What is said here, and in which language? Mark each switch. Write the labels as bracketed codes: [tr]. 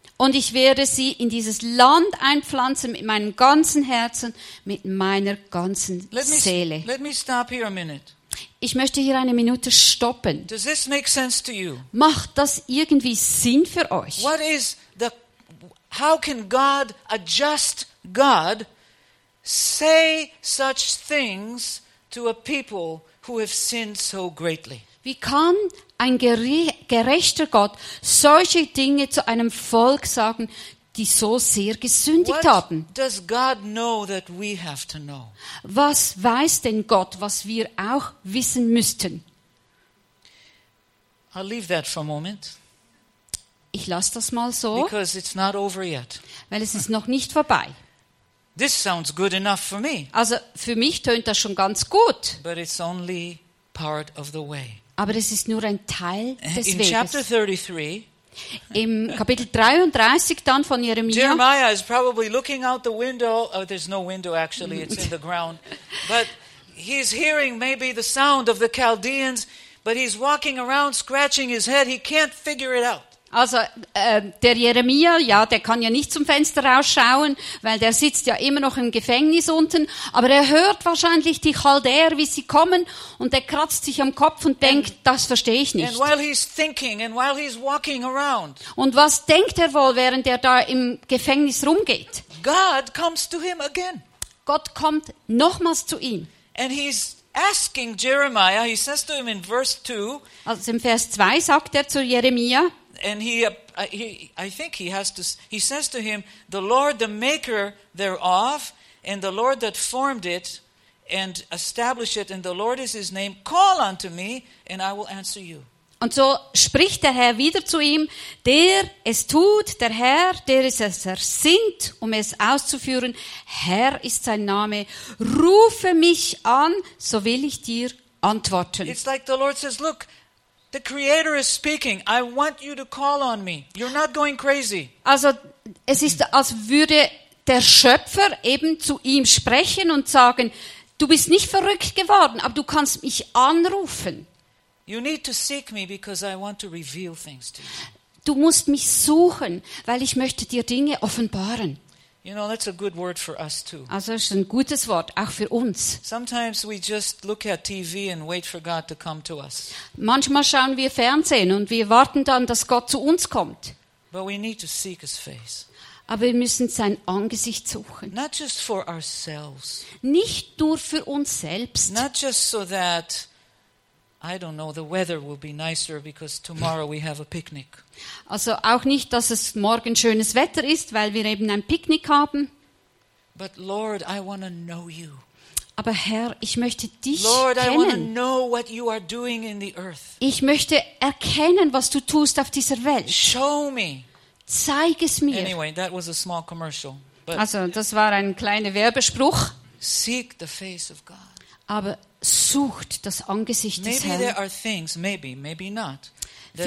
[de] Und ich werde sie in dieses Land einpflanzen mit meinem ganzen Herzen, mit meiner ganzen Seele. [en] Let me stop here a minute. [de] Ich möchte hier eine Minute stoppen. [en] Does this make sense to you? [de] Macht das irgendwie Sinn für euch? [en] What is the How can God, a just God, say such things to a people who have sinned so greatly? [de] Wie kann ein gerechter Gott solche Dinge zu einem Volk sagen, die so sehr gesündigt [en] What [de] haben? [en] Does God know that we have to know? [de] Was weiß denn Gott, was wir auch wissen müssten? [en] I'll leave that for a moment. [de] Ich lasse das mal so, [en] Because it's not over yet. [de] Weil es ist noch nicht vorbei. [en] This sounds good enough for me. [de] Also für mich tönt das schon ganz gut. [en] But it's only part of the way. [de] Aber es ist nur ein Teil des [en] In [de] Weges. [en] Chapter 33, [de] Im Kapitel 33 dann von Jeremia. [en] Jeremiah is probably looking out the window. Oh, there's no window actually. It's in the ground. But he's hearing maybe the sound of the Chaldeans. But he's walking around scratching his head. He can't figure it out. [de] Also der Jeremia, ja, der kann ja nicht zum Fenster rausschauen, weil der sitzt ja immer noch im Gefängnis unten. Aber er hört wahrscheinlich die Chaldäer, wie sie kommen, und er kratzt sich am Kopf und denkt, das verstehe ich nicht. [en] And while he's thinking, and while he's walking around, [de] und was denkt er wohl, während er da im Gefängnis rumgeht? [en] God comes to him again. [de] Gott kommt nochmals zu ihm. [en] And he's asking Jeremiah, he says to him in verse 2, [de] also im Vers 2 sagt er zu Jeremia, [en] And he, I think he has to. He says to him, "The Lord, the Maker thereof, and the Lord that formed it and established it, and the Lord is His name. Call unto me, and I will answer you." [de] Und so spricht der Herr wieder zu ihm, der es tut, der Herr, der es ersinnt, um es auszuführen. Herr ist sein Name. Rufe mich an, so will ich dir antworten. [en] It's like the Lord says, "Look." The Creator is speaking. I want you to call on me. You're not going crazy. [de] Also, es ist, als würde der Schöpfer eben zu ihm sprechen und sagen, du bist nicht verrückt geworden, aber du kannst mich anrufen. [en] You need to seek me because I want to reveal things to you. [de] Du musst mich suchen, weil ich möchte dir Dinge offenbaren. [en] You know, that's a good word for us too. [de] Also, es ist ein gutes Wort, auch für uns. [en] Sometimes we just look at TV and wait for God to come to us. [de] Manchmal schauen wir Fernsehen und wir warten dann, dass Gott zu uns kommt. [en] But we need to seek His face. [de] Aber wir müssen sein Angesicht suchen. [en] Not just for ourselves. [de] Nicht nur für uns selbst. [en] Not just so that I don't know, the weather will be nicer because tomorrow we have a picnic. [de] Also auch nicht, dass es morgen schönes Wetter ist, weil wir eben ein Picknick haben. [en] But Lord, I want to know you. [de] Aber Herr, ich möchte dich [en] Lord, [de] kennen. [en] Lord, I want to know what you are doing in the earth. [de] Ich möchte erkennen, was du tust auf dieser Welt. [en] Show me. [de] Zeig es mir. [en] Anyway, that was a small commercial. But [de] also, das war ein kleiner Werbespruch. [en] Seek the face of God. [de] Aber sucht das Angesicht des [en] maybe [de] Herrn. [en] There are things, maybe, maybe not, that